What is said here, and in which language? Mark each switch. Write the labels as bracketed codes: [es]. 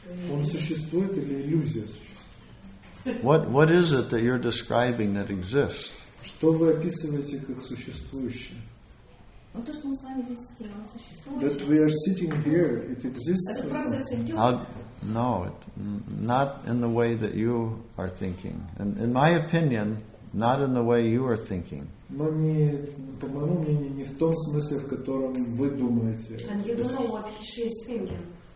[ru] Он существует или иллюзия существует? [en] What is it that you're describing that exists? [ru] Что вы описываете как существующее? [en] That we are sitting here, it exists. Not in the way that you are thinking. And in my opinion, not in the way you are thinking. [ru] Но не, по моему мнению, не в том смысле, в котором вы думаете. [en] And you don't know what she is thinking.